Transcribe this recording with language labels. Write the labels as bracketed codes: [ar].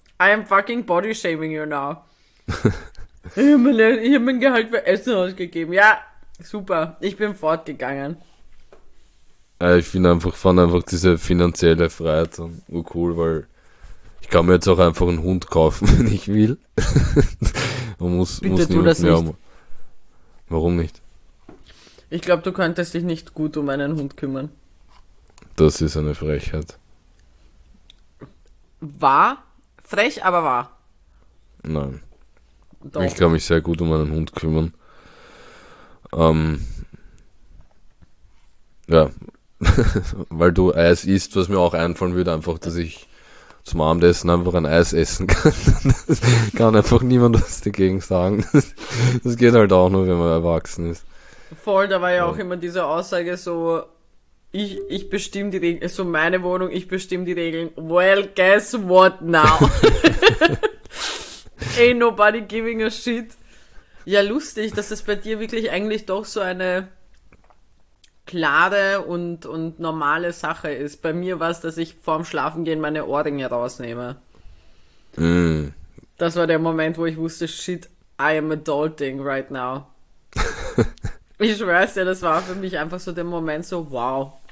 [en] I am fucking body shaming you now. [de] Ich hab mein Gehalt für Essen ausgegeben. Ja, super. Ich bin fortgegangen. Ich fand einfach diese finanzielle Freiheit dann cool, weil ich kann mir jetzt auch einfach einen Hund kaufen, wenn ich will. Man Bitte muss tu niemand das mehr nicht. um. Warum nicht? Ich glaube, du könntest dich nicht gut um einen Hund kümmern. Das ist eine Frechheit. Wahr? Frech, aber wahr. Nein. Ich Doch. kann mich sehr gut um meinen Hund kümmern. Ja. Weil du Eis isst, was mir auch einfallen würde, einfach, dass ich zum Abendessen einfach ein Eis essen kann. Das kann einfach niemand was dagegen sagen. Das geht halt auch nur, wenn man erwachsen ist. Voll, da war ja auch Ja. immer diese Aussage so, ich bestimme die Regeln, so meine Wohnung, ich bestimme die Regeln. [en] Well, guess what now? Ain't nobody giving a shit. [de] Ja, lustig, dass es bei dir wirklich eigentlich doch so eine klare und normale Sache ist. Bei mir war es, dass ich vorm Schlafengehen meine Ohrringe rausnehme. Das war der Moment, wo ich wusste, [en] shit, I am adulting right now. [de] Ich schwör's dir, das war für mich einfach so der Moment, so wow.